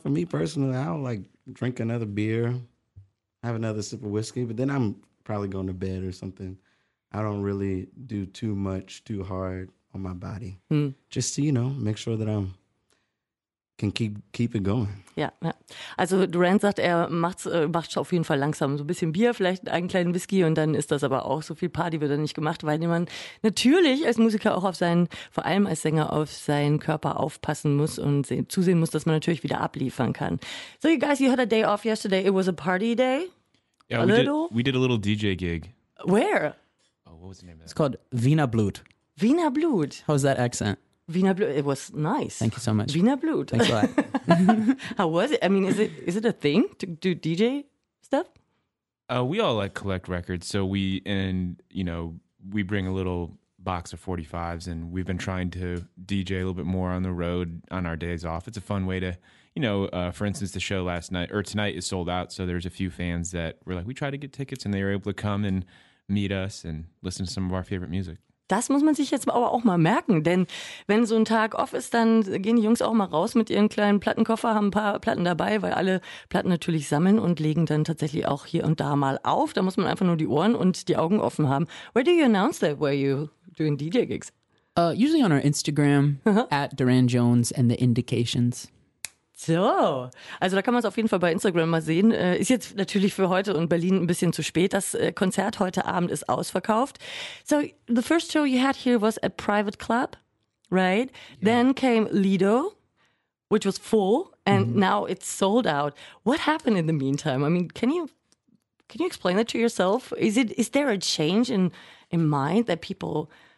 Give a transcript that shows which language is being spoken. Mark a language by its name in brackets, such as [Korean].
[English] For me personally, I don't like drink another beer. Have another sip of whiskey, but then I'm probably going to bed or something. I don't really do too much, too hard on my body. Mm. Just to, you know, make sure that I'm can keep it going. [German] Ja, ja. Also Duran sagt, er macht's auf jeden Fall langsam. So ein bisschen Bier, vielleicht einen kleinen Whisky und dann ist das aber auch. So viel Party wird dann nicht gemacht, weil man natürlich als Musiker auch auf seinen, vor allem als Sänger, auf seinen Körper aufpassen muss und zusehen muss, dass man natürlich wieder abliefern kann. [English] So you guys, you had a day off yesterday. It was a party day? Yeah, we did a little DJ gig. Where? Oh, what was the name of that? It's called Wiener Blut. Wiener Blut. How's that accent? Wiener Blut, it was nice. Thank you so much. Wiener Blut. Thanks a lot. How was it? I mean, is it a thing to do DJ stuff? We all like collect records, so we bring a little box of 45s, and we've been trying to DJ a little bit more on the road on our days off. It's a fun way to, you know, for instance, the show last night, or tonight is sold out, so there's a few fans that were like, we tried to get tickets, and they were able to come and meet us and listen to some of our favorite music. [German] Das muss man sich jetzt aber auch mal merken, denn wenn so ein Tag off ist, dann gehen die Jungs auch mal raus mit ihren kleinen Plattenkoffer, haben ein paar Platten dabei, weil alle Platten natürlich sammeln und legen dann tatsächlich auch hier und da mal auf. Da muss man einfach nur die Ohren und die Augen offen haben. [English] Where do you announce that? Where you doing DJ gigs? Usually on our Instagram, at Duran Jones and the Indications. [German] So, also da kann man es auf jeden Fall bei Instagram mal sehen. Ist jetzt natürlich für heute und Berlin ein bisschen zu spät. Das Konzert heute Abend ist ausverkauft. [English] So, the first show you had here was at Private Club, right? Yeah. Then came Lido, which was full, and now it's sold out. What happened in the meantime? I mean, can you explain that to yourself? Is there a change in mind that people...